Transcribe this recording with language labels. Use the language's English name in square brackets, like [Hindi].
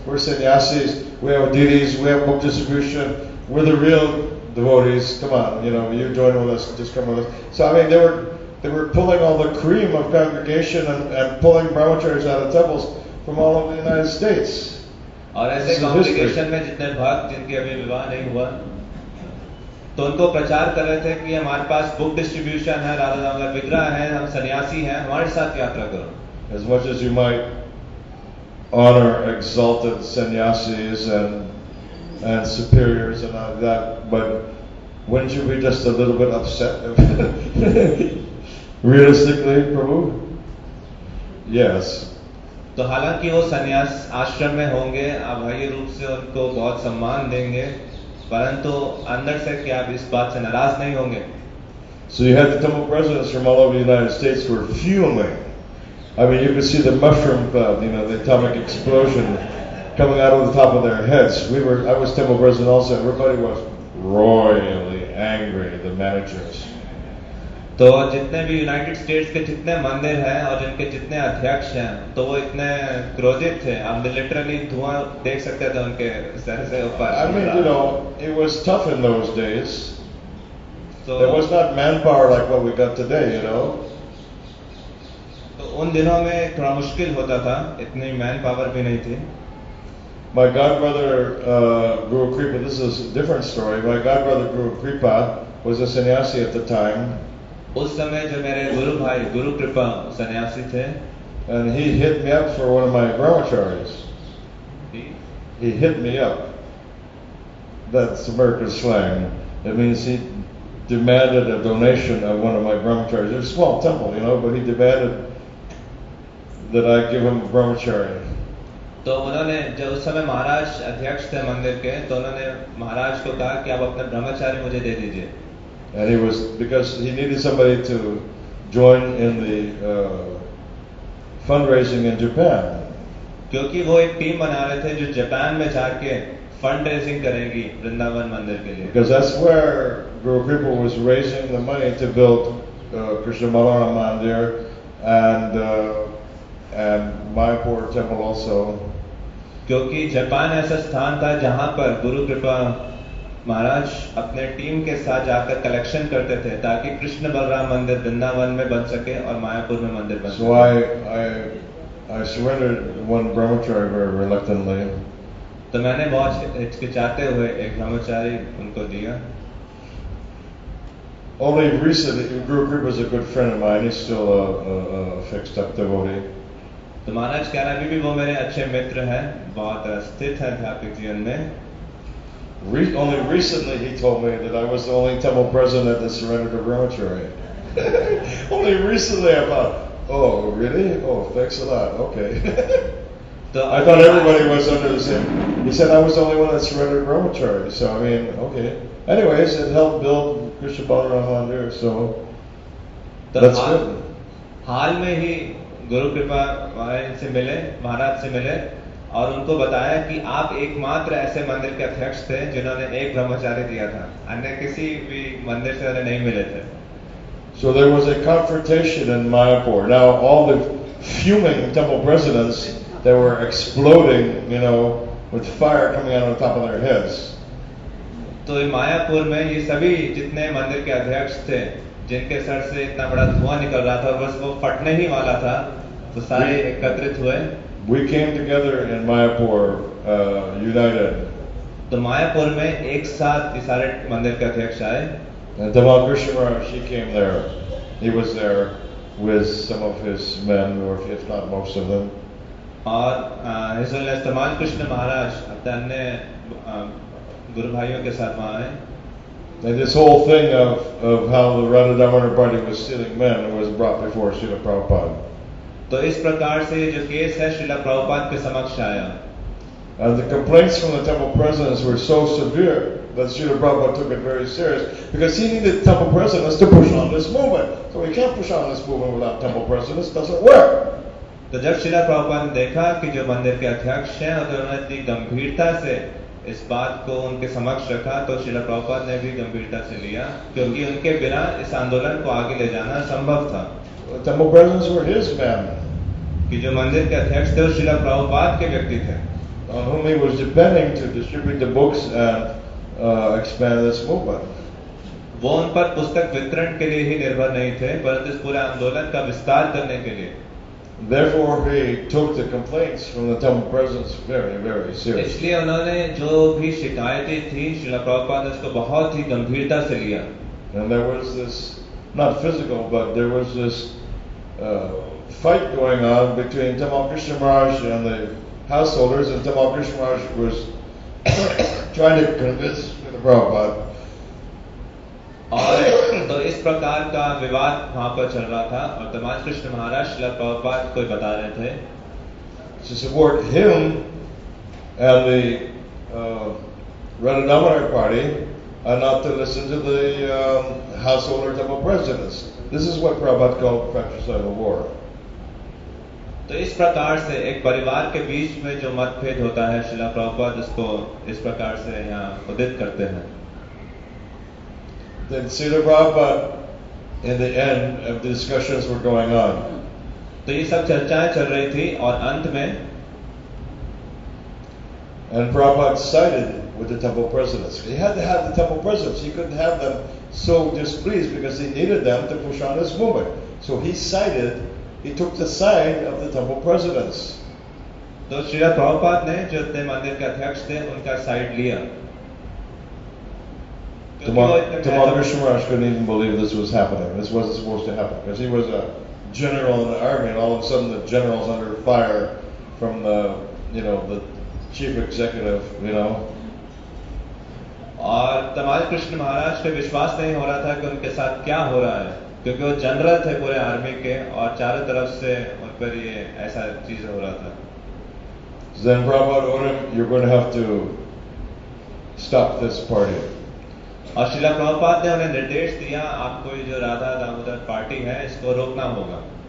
[English] We're sannyasis. We have deities. We have book distribution. We're the real devotees. Come on, you know, you join with us. Just come with us. So, I mean, they were pulling all the cream of congregation and pulling brahmacharis out of temples from all over the United States. And as a congregation, [Hindi] mein jitne bhakt jinke abhi vivah nahi hua. तो उनको प्रचार कर रहे थे कि हमारे पास book distribution है राधा दामोदर विग्रह है हम सन्यासी हैं हमारे साथ यात्रा करो। [English] As much as you might honor exalted sannyasis and superiors and all that, but wouldn't you be just a little bit upset realistically, Prabhu? Yes. [Hindi] तो हालांकि वो सन्यास आश्रम में होंगे आप भाई रूप से उनको बहुत सम्मान देंगे परंतु अंदर से क्या आप इस बात से नाराज नहीं होंगे? [English] So you had the temple presidents from all over the United States who were fuming. I mean, you could see the mushroom cloud, you know, the atomic explosion coming out of the top of their heads. I was temple president also, and everybody was roiling. angry, the managers. [Hindi] तो जितने भी United states के जितने मंदिर हैं और जिनके जितने अध्यक्ष हैं तो वो इतने क्रोधित थे, हम लिटरली धुआं देख सकते थे उनके सर से ऊपर. [English] I mean, you know, it was tough in those days. There was not manpower like what we got today, you know. [Hindi] तो उन दिनों में थोड़ा मुश्किल होता था, इतनी मैन पावर भी नहीं थी. [English] My godbrother Guru Kripa, this is a different story. My godbrother Guru Kripa was a sannyasi at the time. [Hindi] उस समय जो मेरे गुरु भाई गुरु कृपा सन्यासी थे. [English] And he hit me up for one of my brahmacharis. He hit me up. That's American slang. It means he demanded a donation of one of my brahmacharis. It's a small temple, you know, but he demanded that I give him a brahmachari. [Hindi] तो उन्होंने जो उस समय महाराज अध्यक्ष थे मंदिर के, तो उन्होंने महाराज को कहा कि आप अपने ब्रह्मचारी मुझे दे दीजिए. [English] And he was, because he needed somebody to join in the fundraising in Japan. [Hindi] क्योंकि वो एक टीम बना रहे थे जो जापान में जाके फंडरेजिंग करेगी वृंदावन मंदिर के लिए. [English] Because that's where Guru Kripa was raising the money to build Krishna Balaram Mandir and Mayapur temple also. [Hindi] क्योंकि जापान ऐसा स्थान था जहां पर गुरु कृपा महाराज अपने टीम के साथ जाकर कलेक्शन करते थे ताकि कृष्ण बलराम मंदिर वृंदावन में बन सके और मायापुर में मंदिर बन सके. [English] So I surrendered one brahmachari very reluctantly. [Hindi] तो मैंने बहुत हिचकिचाते हुए एक ब्रह्मचारी उनको दिया. [English] Only recently, Guru Kripa is a good friend of mine. He's still a fixed up devotee. [Hindi] तो महाराज कह रहे भी वो मेरे अच्छे मित्र हैं, बहुत स्थित हैं आध्यात्मिक जीवन में. [English] Only recently he told me that I was the only temple president that surrendered to brahmachari. Only recently I thought, oh, really? Oh, thanks a lot. Okay. I thought everybody was under the same. He said I was the only one that surrendered to brahmachari. So, I mean, okay. Anyways, it helped build Krishna Balaram Mandir. So, that's good. [Hindi] हाल में ही गुरु कृपा महाराज से मिले, महाराज से मिले और उनको बताया कि आप एकमात्र ऐसे मंदिर के अध्यक्ष थे जिन्होंने एक ब्रह्मचारी दिया था, अन्य किसी भी मंदिर से उन्हें नहीं मिले थे. [English] So there was a confrontation in Mayapur. Now all the fuming temple presidents, they were exploding, you know, with fire coming out of the top of their heads. [Hindi] तो मायापुर में ये सभी जितने मंदिर के अध्यक्ष थे जिनके सर से इतना बड़ा धुआं निकल रहा था, बस वो फटने ही वाला था, तो सारे एकत्रित हुए. [English] We came together in Mayapur, united. [Hindi] तो मायापुर में एक साथ ये सारे मंदिर के अध्यक्ष आए. [English] And Dhamal Krishna Maharaj, he came there. He was there with some of his men, or if not most of them. [Hindi] और His Holiness Dhamal Krishna Maharaj अपने अन्य गुरु भाइयों के साथ वहाँ आए. [English] And this whole thing of how the Radha Damodar Party was stealing men was brought before Srila Prabhupada. [Hindi] तो इस प्रकार से जो केस है श्रीला प्रभुपाद के समक्ष आया. [English] And the complaints from the temple presidents were so severe that Srila Prabhupada took it very serious because he needed temple presidents to push on this movement. So we can't push on this movement without temple presidents. Doesn't work. [Hindi] तो जब श्रीला प्रभुपाद ने देखा कि जो मंदिर के अध्यक्ष हैं और उन्होंने इतनी गंभीरता से इस बात को उनके समक्ष रखा, तो श्रीला प्रभुपाद ने भी गंभीरता से लिया क्योंकि उनके बिना इस आंदोलन को आगे ले जाना संभव था. [English] The temple presidents were his men. [Hindi] कि जो मंदिर के अध्यक्ष थे वो श्रील प्रभुपाद के व्यक्ति थे. [English] On whom he was depending to distribute the books and expand this movement. [Hindi] वो उन पर पुस्तक वितरण के लिए ही निर्भर नहीं थे, बल्कि इस पूरे आंदोलन का विस्तार करने के लिए. [English] Therefore, he took the complaints from the temple presidents very, very seriously. [Hindi] इसलिए उन्होंने जो भी शिकायतें थीं श्रील प्रभुपाद ने उसको बहुत ही गंभीरता से लिया. [English] And there was this. Not physical, but there was this fight going on between Dhamal Krishna Maharaj and the householders, and Dhamal Krishna Maharaj was trying to convince the Prabhupada. [Hindi] तो इस प्रकार का विवाद वहाँ पर चल रहा था और Dhamal Krishna Maharaj Srila Prabhupada को बता रहे थे. [English] To support him and the Radha Damodar Party. And not to listen to the householder temple presidents. This is what Prabhupada called fratricidal war. [Hindi] तो इस प्रकार से एक परिवार के बीच में जो मतभेद होता है श्रीला प्रभुपाद उसको इस प्रकार से यहाँ उदित करते हैं. [English] then Srila Prabhupada, in the end, of the discussions were going on. [Hindi] तो ये सब चर्चाएं चल रही थी और अंत में [English] and Prabhupada sided with the temple presidents. He had to have the temple presidents. He couldn't have them so displeased because he needed them to push on his movement. So he sided, he took the side of the temple presidents. [Hindi] तो श्री प्रभुपाद ने जो इतने मंदिर के अध्यक्ष थे उनका side लिया. [English] The Mother Vishwaraj couldn't even believe this was happening. This wasn't supposed to happen because he was a general in the army, and all of a sudden the general's under fire from the, you know, the chief executive, you know. [Hindi] और तमाल कृष्ण महाराज पे विश्वास नहीं हो रहा था कि उनके साथ क्या हो रहा है, क्योंकि वो जनरल थे पूरे आर्मी के और चारों तरफ से उन पर ये ऐसा चीज हो रहा था. [English] Then Prabhupada ordered, "You're going to have to stop this party." [Hindi] और श्रीला प्रभुपाद ने उन्हें निर्देश दिया, आपको ये जो राधा दामोदर पार्टी है इसको रोकना होगा.